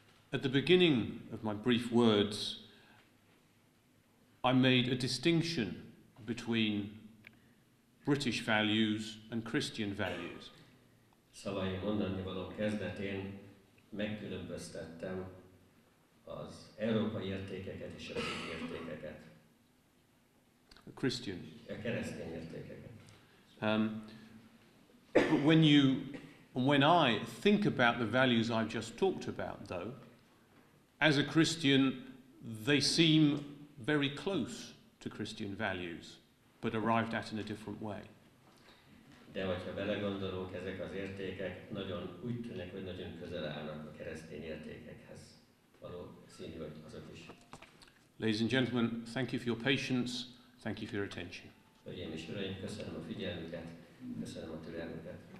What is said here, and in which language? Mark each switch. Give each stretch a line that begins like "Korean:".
English: At the beginning of my brief words, I made a distinction between British values and Christian values.
Hungarian: Szavaim mondanivaló kezdetén megkülönböztettem az európai értékeket és a keresztény értékeket.
English: A Christian.
Hungarian: A keresztény értékeket.
English: But when you, when I think about the values I've just talked about, though, as a Christian, they seem very close to Christian values, but arrived at in a different way.
Hungarian: De hogyha belegondolunk, ezek az értékek nagyon úgy tűnnek, hogy nagyon közel állnak a keresztény értékekhez való színű, hogy azok is.
English: Ladies and gentlemen, thank you for your patience, thank you for your attention.
Hungarian: Hölgyeim és uraim, köszönöm a figyelmüket, köszönöm a türelmüket.